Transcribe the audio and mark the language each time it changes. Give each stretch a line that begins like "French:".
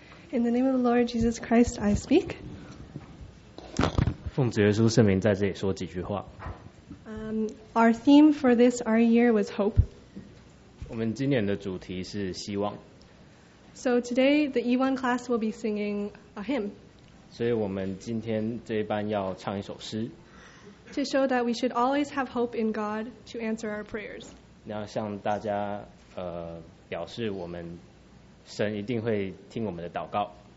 English: In the name of the Lord Jesus Christ, I speak.
Chinese: 奉主耶稣圣名在这里说几句话。
English: Our theme for this our year was hope.
Chinese: 我们今年的主题是希望。
English: So today the E1 class will be singing a hymn.
Chinese: 所以我们今天这一班要唱一首诗。
English: To show that we should always have hope in God to answer our prayers.
Chinese: 要向大家表示我们神一定会听我们的祷告。